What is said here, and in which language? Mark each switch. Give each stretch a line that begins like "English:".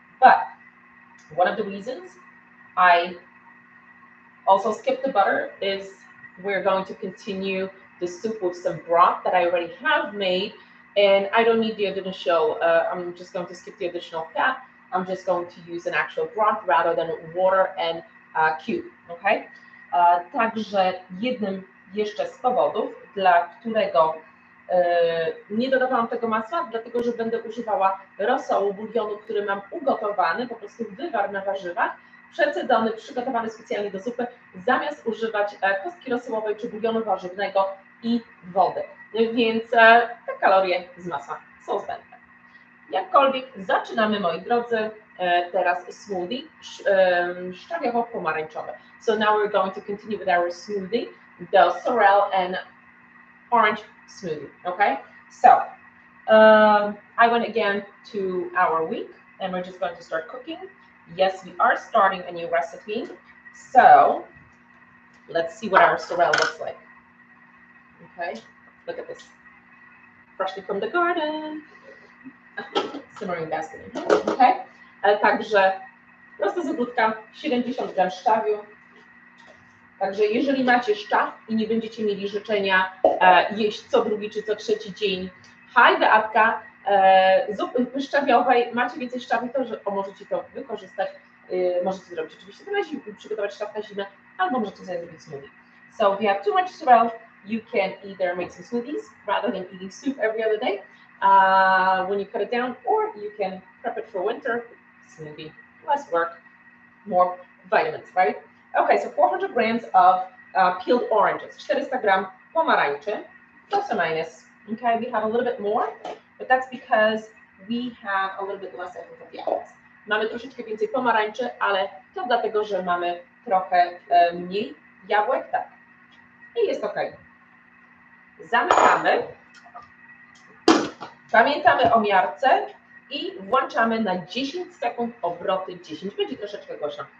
English: But one of the reasons I also skip the butter is we're going to continue the soup with some broth that I already have made, and I don't need the additional, I'm just going to skip the additional fat. I'm just going to use an actual broth rather than water and cube, okay?
Polish: Także jednym jeszcze z powodów, dla którego Nie dodawałam tego masła, dlatego że będę używała rosołu, bulionu, który mam ugotowany, po prostu wywar na warzywach, przecedzony, przygotowany specjalnie do zupy, zamiast używać kostki rosołowej czy bulionu warzywnego i wody. Więc te kalorie z masła są zbędne. Jakkolwiek zaczynamy, moi drodzy, teraz smoothie szczawiowo-pomarańczowe.
English: So now we're going to continue with our smoothie, the sorrel and orange smoothie, okay? So, I went again to our wheat and we're just going to start cooking. Yes, we are starting a new recipe. So, let's see what our sorrel looks like. Okay, look at this. Freshly from the garden. Simmering basket, okay?
Polish: Także prosta zabudka, 70 gram szczawiu. Także jeżeli macie szczaw i nie będziecie mieli życzenia jeść co drugi czy co trzeci dzień, haj, Beatka, zupy szczawiowej, macie więcej szczawi, to że możecie to wykorzystać. Możecie zrobić oczywiście na zimę, przygotować szczaw na zimę, albo możecie sobie zrobić smoothie.
English: So if you have too much sorrel, you can either make some smoothies rather than eating soup every other day when you cut it down, or you can prep it for winter. Smoothie, less work, more vitamins, right? Okay, so 400 grams of peeled oranges,
Polish: 400 gram pomarańczy,
English: plus or minus. Okay, we have a little bit more, but that's because we have a little bit less of the apples.
Polish: Mamy troszeczkę więcej pomarańczy, ale to dlatego, że mamy trochę mniej jabłek, tak. I jest okej. Zamykamy. Pamiętamy o miarce i włączamy na 10 sekund obroty 10. Będzie troszeczkę głośno.